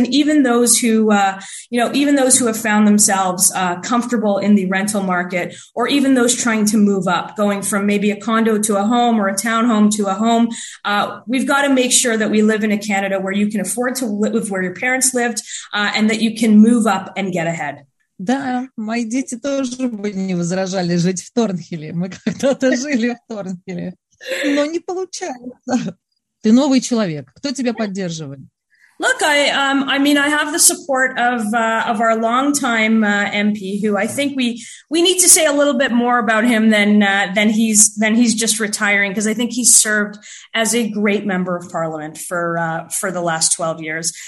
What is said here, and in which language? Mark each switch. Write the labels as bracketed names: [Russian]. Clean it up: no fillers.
[English] And even those who, even those who have found themselves comfortable in the rental market, or even those trying to move up, going from maybe a condo to a home or a townhome to a home. We've got to make sure that we live in a Canada where you can afford to live where your parents lived and that you can move up and get ahead. [Russian] Да, мои дети тоже бы не возражали жить в Торнхилле. Мы когда-то жили в Торнхилле, но не получается. Ты новый человек. Кто тебя поддерживает? [English] Look, I have the support of our longtime MP, who I think we need to say a little bit more about him than he's just retiring, because I think he's served as a great member of Parliament for the last 12 years.